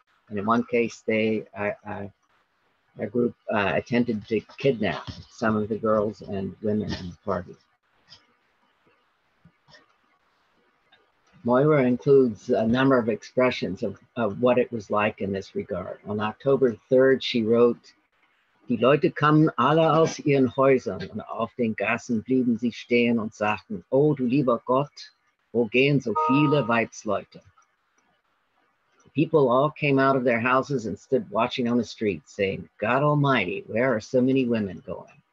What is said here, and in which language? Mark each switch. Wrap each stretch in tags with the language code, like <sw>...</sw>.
<en>And in one case, a group attempted to kidnap some of the girls and women in the party. Moira includes a number of expressions of what it was like in this regard. On October 3rd, she wrote,</en> <de>"Die Leute kamen alle aus ihren Häusern und auf den Gassen blieben sie stehen und sagten, oh du lieber Gott, wo gehen so viele Weibsleute?</de> <en>People all came out of their houses and stood watching on the street saying, God Almighty, where are so many women going?"</en>